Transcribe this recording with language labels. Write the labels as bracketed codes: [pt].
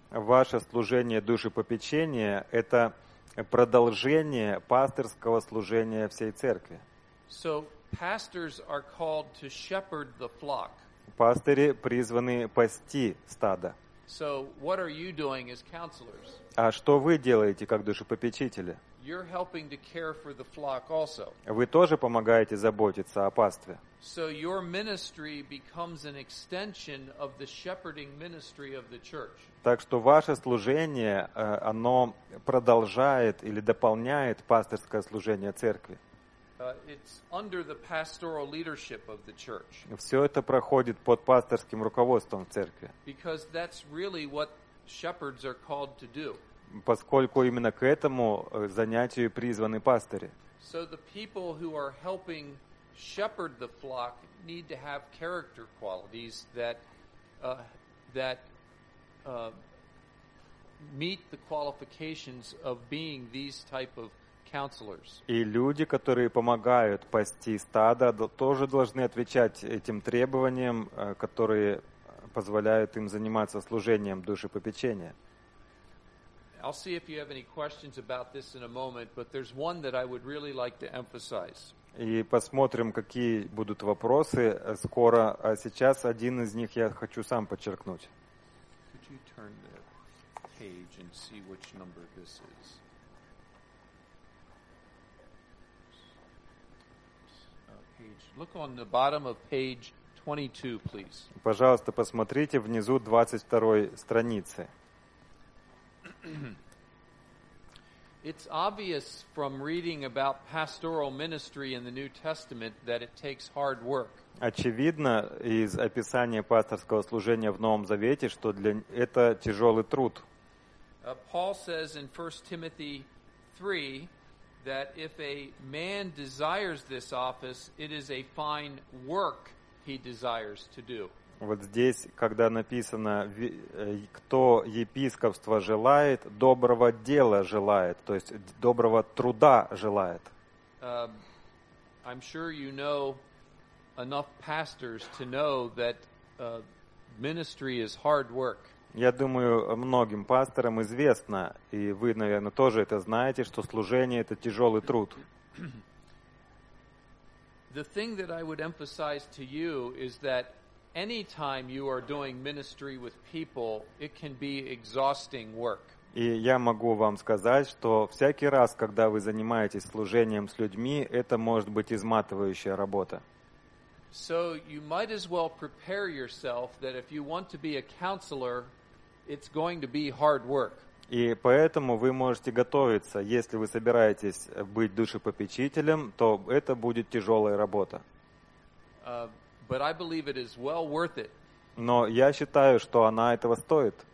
[ru] Ваше служение душепопечения — это продолжение пастырского служения всей церкви. [en] So pastors are called to shepherd the flock. [ru] Пастыри призваны пасти стадо. [en] So what are you doing as counselors? [ru] А что вы делаете как душепопечители? [en] You're helping to care for the flock also. [ru] Вы тоже помогаете заботиться о пастве. [en] So your ministry becomes an extension of the shepherding ministry of the church. [ru] Так что ваше служение, оно продолжает или дополняет пастырское служение церкви. [en] It's under the pastoral leadership of the church. [ru] Все это проходит под пастырским руководством церкви. [en] Because that's really what shepherds are called to do. [ru] Поскольку именно к этому занятию призваны пастыри. [en] So the people who are helping shepherd the flock need to have character qualities that meet the qualifications of being these type of counselors. [ru] И люди, которые помогают пасти стадо, тоже должны отвечать этим требованиям, которые позволяют им заниматься служением душепопечения. [en] I'll see if you have any questions about this in a moment, but there's one that I would really like to emphasize. [ru] И посмотрим, какие будут вопросы скоро, а сейчас один из них я хочу сам подчеркнуть. [en] Could you turn the page and see which number this is? Look on the bottom of page 22, please. [ru] Пожалуйста, посмотрите внизу 22-й страницы. [en] It's obvious from reading about pastoral ministry in the New Testament that it takes hard work. [ru] Очевидно из описания пасторского служения в Новом Завете, что для это тяжелый труд. [en] Paul says in 1 Timothy 3 that if a man desires this office, it is a fine work he desires to do. [ru] Вот здесь, когда написано, кто епископство желает, доброго дела желает, то есть доброго труда желает. [en] I'm sure you know enough pastors to know that ministry is hard work. [ru] Я думаю, многим пасторам известно, и вы, наверное, тоже это знаете, что служение — это тяжелый труд. [en] The thing that I would emphasize to you is that any time you are doing ministry with people, it can be exhausting work. [ru] И я могу вам сказать, что всякий раз, когда вы занимаетесь служением с людьми, это может быть изматывающая работа. [en] So you might as well prepare yourself that if you want to be a counselor, it's going to be hard work. [ru] И поэтому вы можете готовиться, если вы собираетесь быть душепопечителем, то это будет тяжелая работа. [en] But I believe it is well worth it. [ru] Но я считаю, что она этого стоит.